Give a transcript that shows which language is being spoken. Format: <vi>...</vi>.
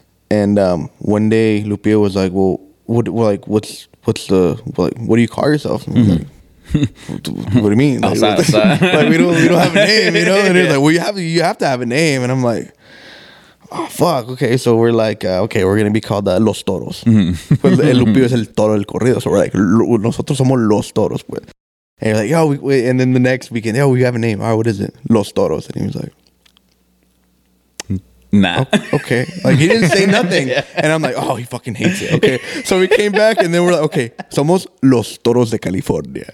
<en>And one day Lupillo was like, "Well, what do you call yourself?" And mm-hmm. What do you mean? Outside. Like, we don't have a name, you know? And he's like, "Well, you have to have a name." And I'm like, oh, fuck. Okay, so we're like, okay, we're going to be called Los Toros.</en> <es>Pues el Lupillo es el toro del corrido.</es> <en>So we're like,</en> <es>nosotros somos Los Toros. Pues.</es> <en>And you're like, yo, we, and then the next weekend, yo, we have a name. All right, what is it? Los Toros. And he was like, nah. Okay. Like, he didn't say nothing. Yeah. And I'm like, oh, he fucking hates it. Okay. So we came back and then we're like, okay,</en> <es>somos Los Toros de California.</es>